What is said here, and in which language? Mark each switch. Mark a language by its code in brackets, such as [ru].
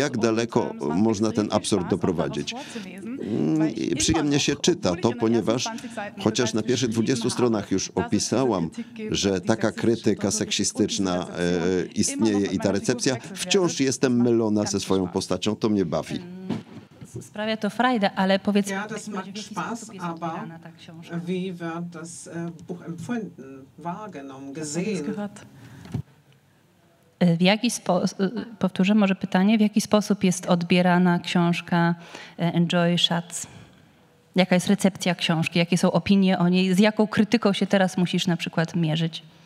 [pl] Jak daleko można ten absurd doprowadzić? Przyjemnie się czyta to, ponieważ chociaż na pierwszych 20 stronach już opisałam, że taka krytyka seksistyczna istnieje i ta recepcja, wciąż jestem mylona ze swoją postacią, to mnie bawi. Sprawia to frajda, ale powiedzmy... [de] Ja, das macht Spaß, aber wie wird das Buch empfunden, wahrgenommen, gesehen? [pl] W jaki powtórzę może pytanie, w jaki sposób jest odbierana książka Enjoy Schatz? Jaka jest recepcja książki? Jakie są opinie o niej? Z jaką krytyką się teraz musisz na przykład mierzyć?